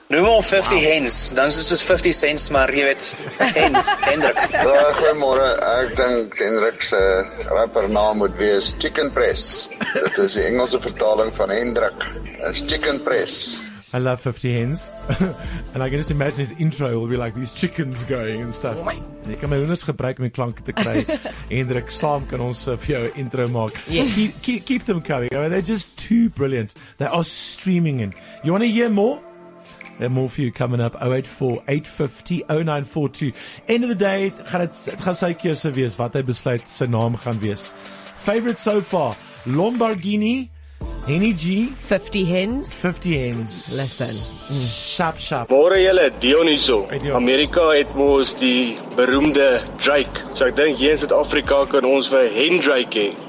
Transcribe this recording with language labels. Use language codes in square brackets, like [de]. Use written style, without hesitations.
[af] Noem hom 50 wow. Hens, dan is dit 50 cents, maar jy weet, Hens, Hendrik. Goeiemôre, ek dink Hendrik se rapper naam moet wees Chicken Press. Dit is die Engelse vertaling van Hendrik, is Chicken Press. [en] I love 50 Hens. And I can just imagine his intro will be like these chickens going and stuff. [af] Ek kan my hoenders gebruik om die klanke te kry. Hendrik, saam kan ons vir jou 'n intro maak. [en] Yes. Keep them coming. I mean, they're just too brilliant. They are streaming in. You want to hear more? There are more for you coming up. 084-850-0942. End of the day, [af] gaan sy keuse wees wat hy besluit sy naam gaan wees. [en] Favorite so far, Lamborghini. Henny G. 50 Hens. Listen. Sharp. [af] Môre julle, Dion hierso. Amerika het mos die beroemde Drake. So ek dink hier in Suid-Afrika kan ons vir Hendrik hê.